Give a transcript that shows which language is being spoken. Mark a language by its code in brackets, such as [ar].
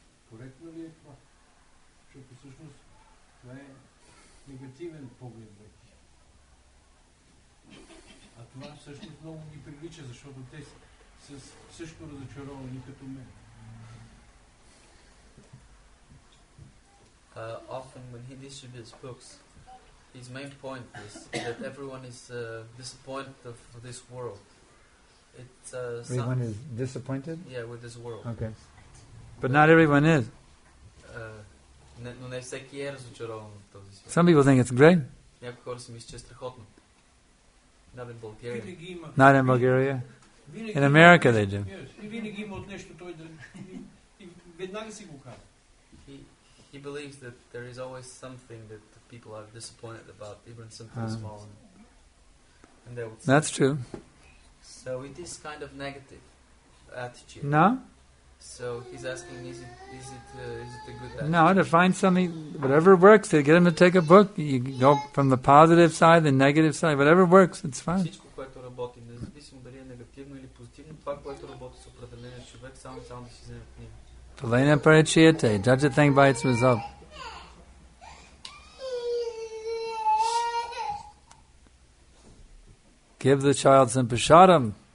[bg] Коректно ли е това? Защото всъщност това е негативен поглед на тях. А това всъщност много ги привлича, защото те са също разочаровани като мен. [en] Often when he distributes books, his main point is that everyone is disappointed of this world. Everyone is disappointed? Yeah, with this world. Okay. But not everyone is. [bg] Не всеки е разочарован от този свят. [en] Some people think it's great. [bg] Някои хора си мислят, че е страхотно. [en] Not in Bulgaria. Not in Bulgaria. In America they do. [bg] Винаги има от нещо той да... Веднага си го казва. [en] He believes that there is always something that people are disappointed about, even something small. And they would say. That's true. So it is kind of negative attitude. No? So he's asking, is it a good attitude? No, to find something, whatever works, to get him to take a book, you go from the positive side, the negative side, whatever works, it's fine. [bg] Всичко, което работи, независимо дали е негативно или позитивно, това, което работи с определения човек, само да си вземе книга. [sa] Valena Parachiate, [en] judge a thing by its result. Give the child some prasadam.